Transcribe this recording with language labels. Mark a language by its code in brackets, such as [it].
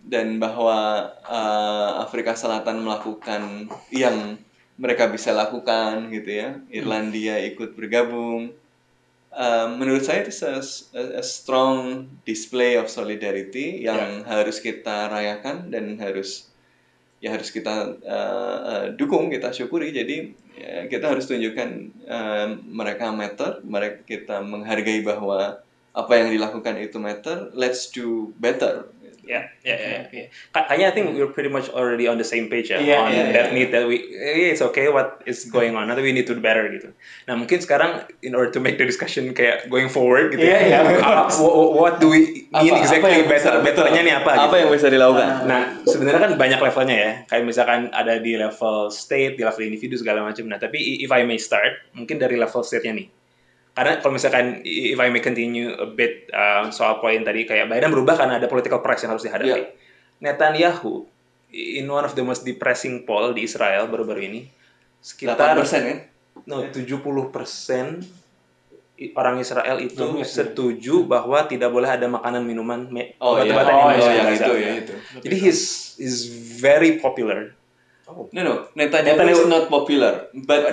[id] Dan bahwa Afrika Selatan melakukan yang mereka bisa lakukan gitu ya, Irlandia ikut bergabung, menurut saya itu [en] a strong display of solidarity [id] yang harus kita rayakan dan harus kita dukung, kita syukuri. Jadi kita harus tunjukkan mereka matter, mereka, kita menghargai bahwa apa yang dilakukan itu matter, [en] let's do better. I think we're pretty much already on the same page need that it's okay what is going on, that we need to do better gitu. [id] Nah mungkin sekarang [en] in order to make the discussion kayak going forward gitu, what do we mean apa, exactly apa better bisa, [id] betternya nih apa gitu. Apa yang bisa dilakukan? Nah sebenarnya kan banyak levelnya ya, kayak misalkan ada di level state, di level individu segala macam. Nah tapi [en] if I may start [id] mungkin dari level state-nya nih. Karena kalau misalkan, [en] if I may continue a bit [id] soal poin tadi, kayak Biden berubah karena ada political price yang harus dihadapi. Yeah. Netanyahu, [en] in one of the most depressing poll [id] di Israel baru-baru ini, sekitar 8%, ya? No, 70% orang Israel itu setuju bahwa tidak boleh ada makanan, minuman, obat-obatan yang masuk ke Israel. [en] Jadi he's very popular. No, Netanyahu is not popular, but